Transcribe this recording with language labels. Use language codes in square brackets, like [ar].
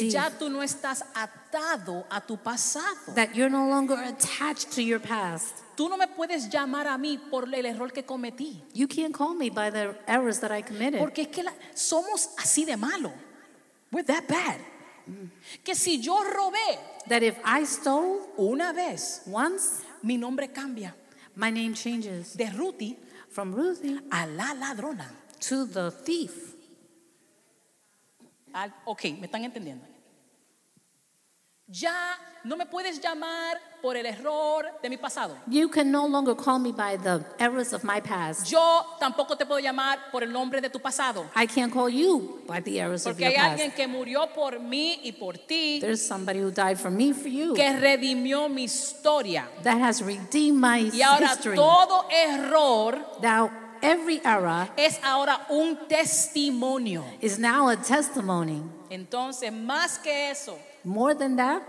[es] Que ya tú no estás atado a tu pasado. [en] That you're no longer attached to your past. [es] Tú no me puedes llamar a mí por el error que cometí. [en] You can't call me by the errors that I committed. [es] Porque es que somos así de malo. [en] We're that bad. [es] Que si yo robé, [en] that if I stole [es] una vez, [en] once, [es] mi nombre cambia. [en] My name changes. [es] De Ruthie, [en] from Ruthie, [es] a la ladrona, [en] to the thief. [es] Okay, me están entendiendo. Ya no me puedes llamar por el error de mi pasado. [en] You can no longer call me by the errors of my past. [es] Yo tampoco te puedo llamar por el nombre de tu pasado. [en] I can't call you by the errors [es] porque [en] of your past. [es] Porque hay alguien que murió por mí y por ti. [en] There's somebody who died for me, for you. [es] Que redimió mi historia. [en] That has redeemed my [es] y ahora [en] history. [es] Todo error. [en] Now, every error [es] es ahora un testimonio. [en] Is now a testimony. [es] Entonces, más que eso. [en] More than that?